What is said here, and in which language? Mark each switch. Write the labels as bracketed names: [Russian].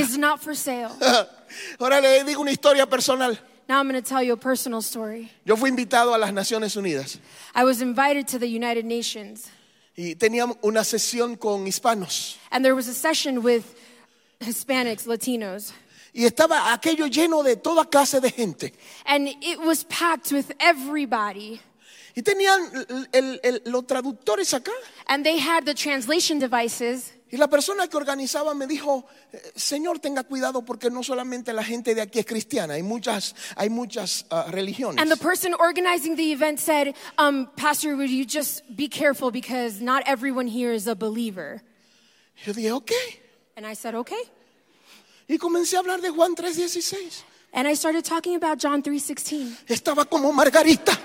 [English] Is not for sale. [Spanish] Ahora le digo una historia personal. [English] Now I'm going to tell you a personal story. [Spanish] Yo fui invitado a las Naciones Unidas. [English] I was invited to the United Nations. [Spanish] Y teníamos una sesión con hispanos. [English] And there was a session with Hispanics, Latinos. [Spanish] Y estaba aquello lleno de toda clase de gente. [English] And it was packed with everybody. [Spanish] Y tenían los traductores acá. [English] And they had the translation devices. [Spanish] Y la persona que organizaba me dijo, Señor, tenga cuidado porque no solamente la gente de aquí es cristiana, hay muchas religiones. [English] And the person organizing the event said, Pastor, would you just be careful because not everyone here is a believer. [Spanish] Yo dije, okay. [English] And I said, okay. [Spanish] Y comencé a hablar de Juan 3:16. [English] And I started talking about John 3:16. [Spanish] Estaba como Margarita.